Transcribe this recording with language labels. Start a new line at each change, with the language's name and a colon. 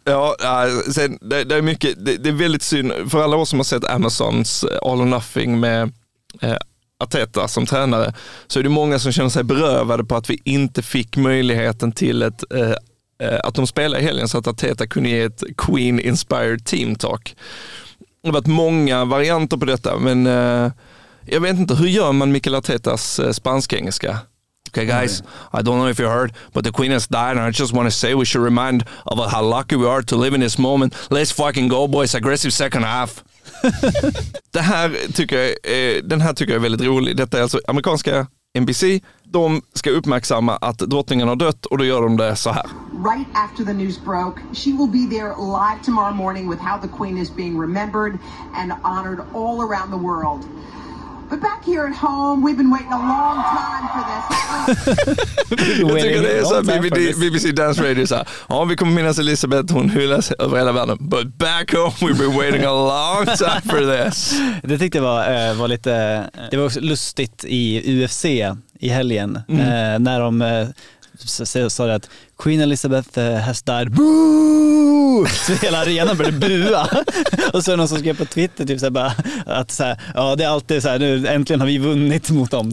Swedish: Ja, sen, det är mycket, det är väldigt synd för alla oss som har sett Amazons All or Nothing med Arteta som tränare, så är det många som känner sig berövade på att vi inte fick möjligheten till ett att de spelar i helgen, så att Arteta kunde ge ett Queen Inspired Team Talk. Det har varit många varianter på detta, men jag vet inte, hur gör man Mikel Artetas spansk-engelska?
English: Okay guys, I don't know if you heard, but the Queen has died and I just want to say we should remind of how lucky we are to live in this moment. Let's fucking go boys, aggressive second half.
Swedish: Det här tycker jag, den här tycker jag är väldigt rolig. Detta är alltså amerikanska NBC. De ska uppmärksamma att drottningen har dött, och då gör de det så här.
English: Right after the news broke, she will be there live tomorrow morning with how the Queen is being remembered and honored all around the world. But back here at home, we've been waiting a long time for this.
Swedish: Jag tycker det är så här, BBC Dance Radio så här, ja, vi kommer minnas Elisabeth, hon hyllas över hela världen.
English: But back home, we've been waiting a long time for this.
Swedish: Det tyckte jag var lite, det var också lustigt i UFC i helgen. Mm. När de sa att Queen Elizabeth
English: has died.
Swedish: Boo! Så hela arenan började bua. Och så är någon som skrev på Twitter typ så här, bara, att så här, ja, det är alltid så här, nu äntligen har vi vunnit mot dem.